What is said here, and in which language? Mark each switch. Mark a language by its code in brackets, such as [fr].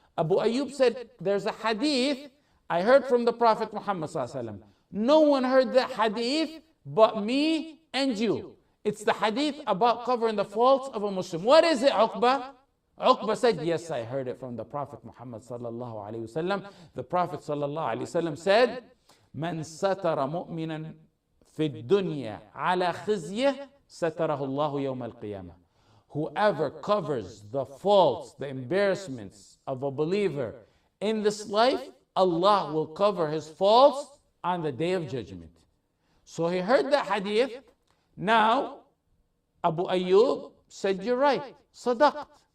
[en] Abu Ayyub said, there's a hadith I heard from the Prophet Muhammad sallallahu alaihi wasallam. No one heard that hadith but me and you. It's the hadith about covering the faults of a Muslim. What is it, Uqba? Uqba said, yes, I heard it from the Prophet Muhammad sallallahu alaihi wasallam. The Prophet sallallahu alaihi wasallam said, [ar] من ستر مؤمنا في الدنيا على خزيه ستره الله يوم القيامة. [en] Whoever covers the faults, the embarrassments of a believer in this life, Allah will cover his faults on the day of judgment. So he heard that hadith. Now, Abu Ayyub said, you're right, sadaqt.